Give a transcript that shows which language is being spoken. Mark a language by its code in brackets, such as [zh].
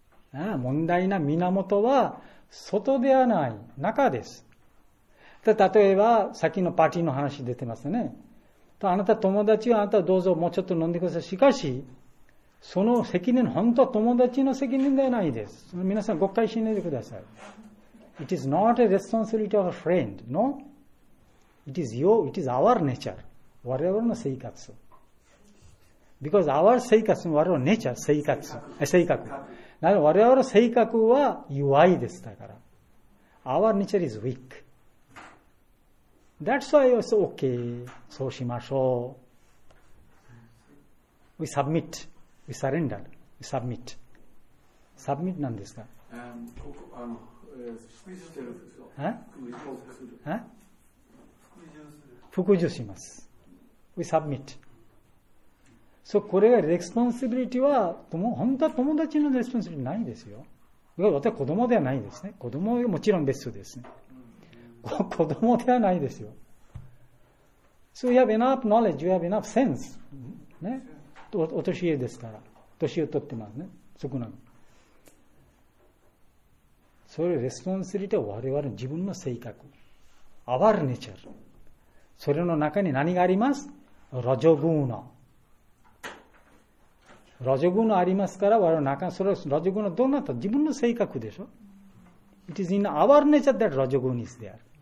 [ja] ああ問題な源は外ではない中です。で例えばさっきのパーティーの話出てますね。とあなた友達はあなたどうぞもうちょっと飲んでください。しかしその責任本当は友達の責任ではないです。皆さん誤解しないでください。 [en] It is not a responsibility of a friend. No. It is you. It is our nature. [ja] 我々の生活。 [en] Because our [ja] 生活我々の nature 生活性格。なので我々の性格は弱いです。だから。 [en] Our nature is weak. That's why it's okay. [ja] そうしましょう。 [en] We submit. We surrender. We submit. Submit [ja] なんですか？ここ、あの、服従してるんですよ。服従する。服従します。 [en] We submit. [ja] So, これがレスポンシビリティは本当は友達のレスポンシビリティないですよ。私は子供ではないですね。子供はもちろん別途です、ね。子供ではないですよ。 [en] So, you have enough knowledge, you have enough sense.、 [ja] ね、お年寄りですから。年を取ってますね。そこなの。それレスポンシビリティは我々の自分の性格。 [en] Our nature。 [ja] それの中に何があります？ラジョグーナ。ラジオグノありますから、我々の中にそれはラジオグノどうなった？自分の性格でしょ。 [en] It is in our nature that ラジオグノ is there.